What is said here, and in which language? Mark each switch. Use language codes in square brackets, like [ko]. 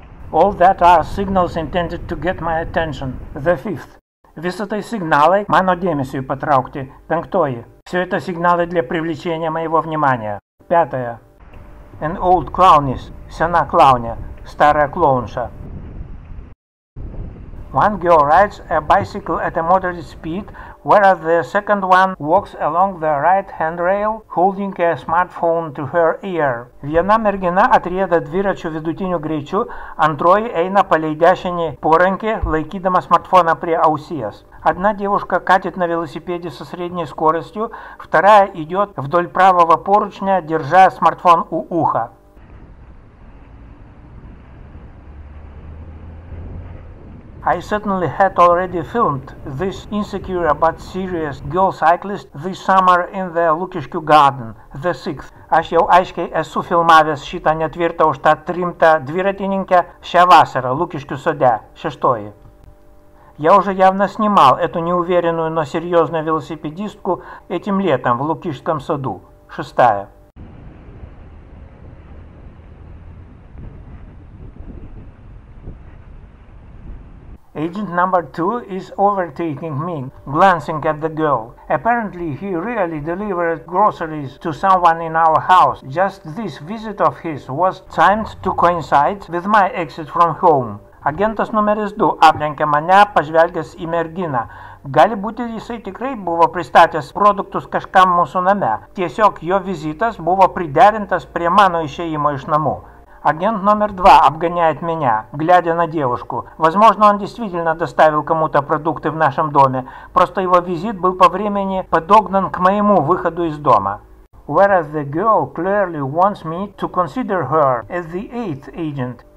[en] All that are signals intended to get my attention. The fifth. [lt] Visa tai signalai mano dėmesiui patraukti. Penktoji. [ru] Все это сигналы для привлечения моего внимания. Пятая. [en] An old clowness. [ru] Сена клоунė. Старая клоунша. [en] One girl rides a bicycle at a moderate speed, whereas the second one walks along the right hand rail, holding a smartphone to her ear. [lt] Viena mergina atrieda dviračiu vidutiniu greičiu, antroji eina palei dešinį porankį, laikydama smartfoną prie ausies. [ru] Одна девушка катит на велосипеде со средней скоростью, вторая идет вдоль правого поручня, держа смартфон у уха. [en] I certainly had already filmed this insecure but serious girl cyclist this summer in the Lukiškių garden, the sixth. [lt] Aš jau aiškiai esu filmavęs šitą netvirtą užtat rimtą dviratininkę šią vasarą Lukiškių sode, šeštoji. [ru] Я уже явно снимал эту неуверенную, но серьезную велосипедистку этим летом в Лукишском саду, шестая. [en] Agent number two is overtaking me, glancing at the girl. Apparently, he really delivered groceries to someone in our house. Just this visit of his was timed to coincide with my exit from home. [lt] Agentas numeris du aplenkė mane, pažvelgęs į merginą. Gali būti, jisai tikrai buvo pristatęs produktus kažkam mūsų name. Tiesiog jo vizitas buvo priderintas prie mano išėjimo iš namų. [ru] Агент номер два обгоняет меня, глядя на девушку. Возможно, он действительно доставил кому-то продукты в нашем доме. Просто его визит был по времени подогнан к моему выходу из дома. [en] Whereas the girl clearly wants me to consider her as the eighth agent.